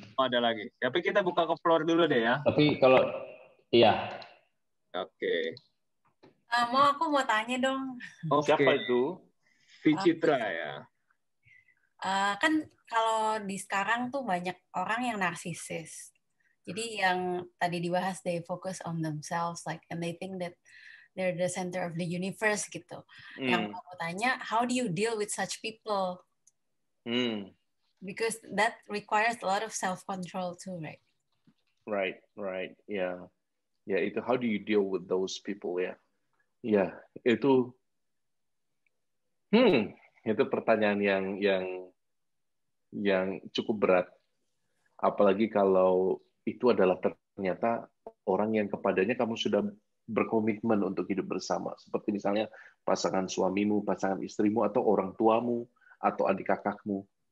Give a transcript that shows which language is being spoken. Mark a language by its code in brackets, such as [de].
[id] Oh, ada lagi. Tapi kita buka ke floor dulu deh ya. Tapi kalau, iya. Oke. Okay. Mau aku mau tanya dong. Okay. Siapa itu? Vicitra ya. Kan kalau di sekarang tuh banyak orang yang narsisis. Jadi yang tadi dibahas, [en] they focus on themselves, like, and they think that they're the center of the universe, gitu. Mm. [id] Yang aku tanya, [en] how do you deal with such people? Mm. Because that requires a lot of self-control too, right? Right, right, yeah. Yeah, itu how do you deal with those people, ya? Yeah. [id] Yeah, itu... itu pertanyaan yang cukup berat. Apalagi kalau itu adalah ternyata orang yang kepadanya kamu sudah berkomitmen untuk hidup bersama. Seperti misalnya pasangan suamimu, pasangan istrimu, atau orang tuamu, atau adik kakakmu.